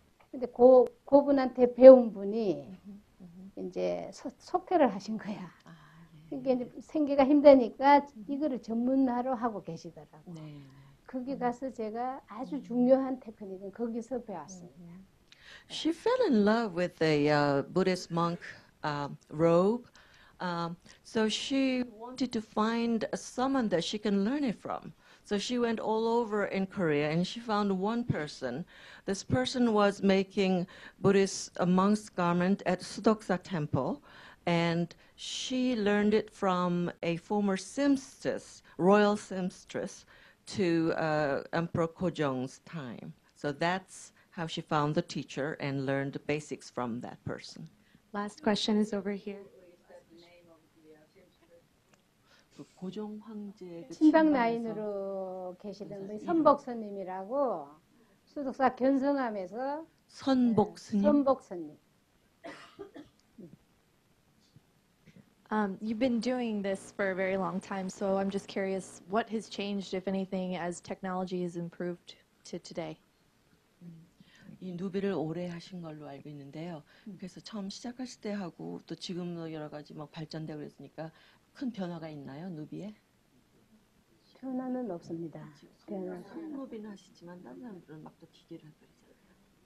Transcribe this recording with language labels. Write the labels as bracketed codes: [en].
[ko] 그런데 그분한테 배운 분이 이제 속회를 하신 거야. 그게 이제 생기가 힘드니까 이거를 전문화로 하고 계시더라고요. 네. 거기 가서 제가 아주 중요한 테크닉은 거기서 배웠습니다. [en] She fell in love with a Buddhist monk robe. So she wanted to find someone that she can learn it from. So she went all over in Korea and she found one person. This person was making Buddhist monk's garment at Sudoksa Temple. And she learned it from a former seamstress, royal seamstress, to Emperor Gojong's time. So that's how she found the teacher and learned the basics from that person. Last question is over here. [ko] 고종 황제 친방 라인으로 계시던 분이 선복 스님이라고 수덕사 견성함에서 선복 스님. 선복 스님. [en] You've been doing this for a very long time, so I'm just curious what has changed, if anything, as technology has improved to today. [ko] 이 누비를 오래 하신 걸로 알고 있는데요. 그래서 처음 시작하실 때 하고 또 지금도 여러 가지 막 발전되고 그랬으니까 큰 변화가 있나요, 누비에? 변화는 없습니다. 손노비는 하시지만 다른 사람들은 막 또 기계를 하고 그러잖아요.